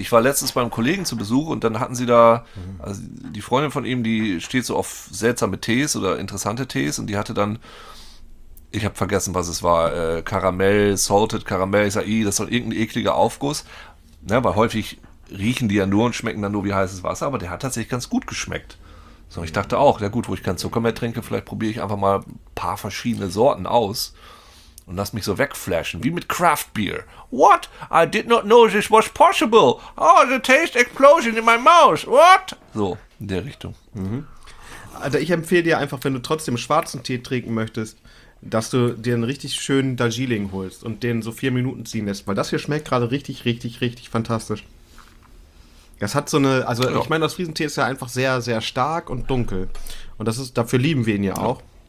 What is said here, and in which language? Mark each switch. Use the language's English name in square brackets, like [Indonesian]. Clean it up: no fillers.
[German] Ich war letztens beim Kollegen zu Besuch und dann hatten sie da, also die Freundin von ihm, die steht so auf seltsame Tees oder interessante Tees und die hatte dann, ich habe vergessen, was es war, Karamell, Salted Karamell, ich sage, das soll irgendein ekliger Aufguss, ne, weil häufig riechen die ja nur und schmecken dann nur wie heißes Wasser, aber der hat tatsächlich ganz gut geschmeckt. So, ich dachte auch, na gut, wo ich keinen Zucker mehr trinke, vielleicht probiere ich einfach mal ein paar verschiedene Sorten aus. Und lass mich so wegflashen, wie mit Craft Beer. [English] What? I did not know this was possible. Oh, the taste explosion in my mouth. What? [German] So, in der Richtung. Mhm. Also ich empfehle dir einfach, wenn du trotzdem schwarzen Tee trinken möchtest, dass du dir einen richtig schönen Darjeeling holst und den so 4 Minuten ziehen lässt. Weil das hier schmeckt gerade richtig, richtig, richtig fantastisch. Das hat so eine, also ja. Ich meine, das Friesentee ist ja einfach sehr, sehr stark und dunkel. Und dafür lieben wir ihn ja auch.